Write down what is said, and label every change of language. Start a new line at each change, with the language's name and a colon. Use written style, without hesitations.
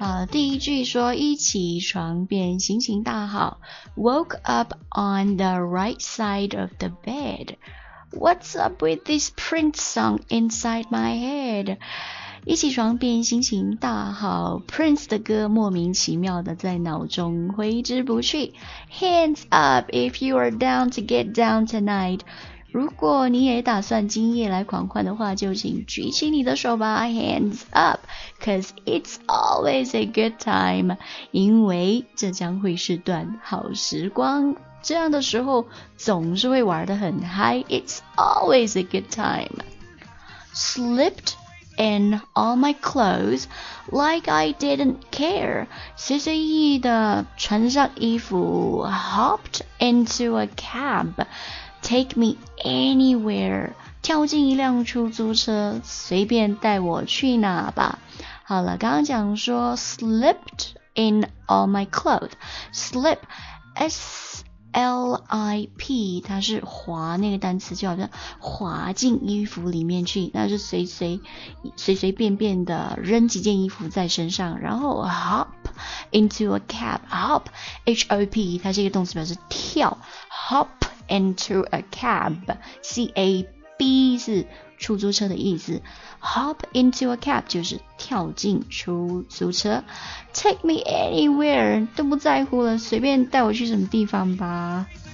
Chinese: 第一句说一起床便心情大好，
English: Woke up on the right side of the bed. What's up with this Prince song inside my head?
Chinese: 一起床便心情大好， Prince 的歌莫名其妙的在脑中挥之不去。
English: Hands up if you are down to get down tonight.
Chinese: 如果你也打算今夜来狂欢的话，就请举起你的手吧。
English: Hands up Cause it's always a good time.
Chinese: 因为这将会是段好时光，这样的时候总是会玩得很嗨。
English: It's always a good time. Slipped in all my clothes like I didn't care.
Chinese: 随随意意的穿上衣服，
English: Hopped into a cab. Take me anywhere.
Chinese: 跳进一辆出租车，随便带我去哪吧。好了，刚刚讲说
English: slipped in all my clothes.
Chinese: Slip, S-L-I-P, 它是滑那个单词，就好像滑进衣服里面去，那是随随便便的扔几件衣服在身上。然后
English: hop into a cab,
Chinese: hop, H-O-P, 它是一个动词表示跳。
English: Hop into a cab,
Chinese: C-A-B 是出租车的意思。
English: Hop into a cab
Chinese: 就是跳进出租车。
English: Take me anywhere
Chinese: 都不在乎了，随便带我去什么地方吧。